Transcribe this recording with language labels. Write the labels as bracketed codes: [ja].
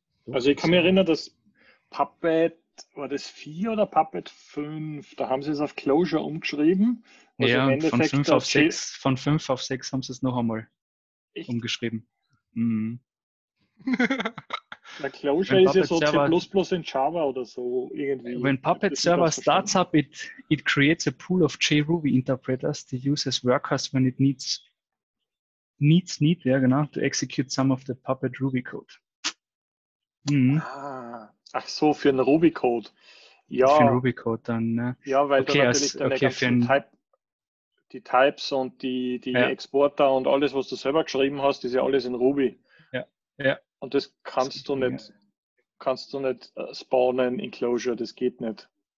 [de] Also, ich kann mich erinnern, dass Puppet, war das 4 oder Puppet 5? Da haben sie es auf Clojure umgeschrieben. Also ja, von 5 auf 6. Von 5 auf 6 haben sie es noch einmal umgeschrieben. Der Clojure ist ja so C++ in Java oder so irgendwie. [en] When Puppet Server starts up, it creates a pool of JRuby interpreters to use as workers when it needs, [de] ja genau, [en] to execute some of the Puppet Ruby code. [de] Ach so, für einen Ruby code. Ja. Für einen Ruby code dann. Ja, weil okay, du natürlich deine ganzen die Types und die Exporter und alles, was du selber geschrieben hast, ist ja alles in Ruby. Ja. Ja. Und das kannst du nicht spawnen in Clojure, das geht nicht.